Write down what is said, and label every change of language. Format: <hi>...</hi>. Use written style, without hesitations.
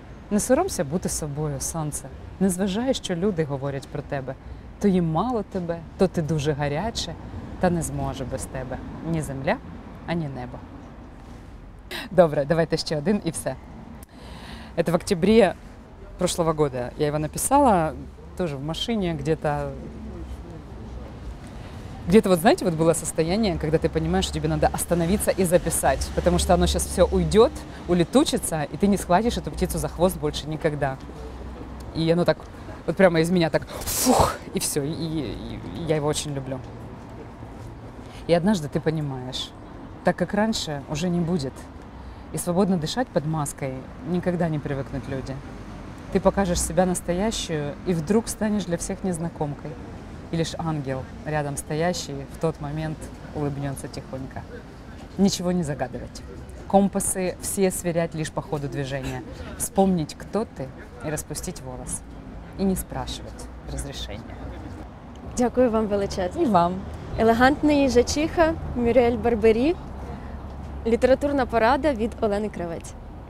<uk>Не соромся бути собою, сонце. Не зважай, що люди говорять про тебе. То їм мало тебе, то ти дуже гаряче. Та не зможе без тебе ні земля, ані небо. Добре, давайте ще один і все. Це в октябрі прошлого року. Я його написала теж в машині,</uk> <ru>где-то вот, знаете, вот было состояние, когда ты понимаешь, что тебе надо остановиться и записать, потому что оно сейчас все уйдет, улетучится, и ты не схватишь эту птицу за хвост больше никогда. И оно так, вот прямо из меня так, фух, и все, и я его очень люблю. И однажды ты понимаешь, так как раньше уже не будет, и свободно дышать под маской никогда не привыкнут люди. Ты покажешь себя настоящую, и вдруг станешь для всех незнакомкой. И лишь ангел, рядом стоящий, в тот момент улыбнется тихонько. Ничего не загадывать. Компасы все сверять лишь по ходу движения. Вспомнить, кто ты, и распустить волос. И не спрашивать разрешения.</ru> <uk>Дякую вам величезно.</uk> <ru>И вам.</ru> <uk>Елегантний жачиха Мюрель Барбері. Літературна порада від Олени Кравець.</uk>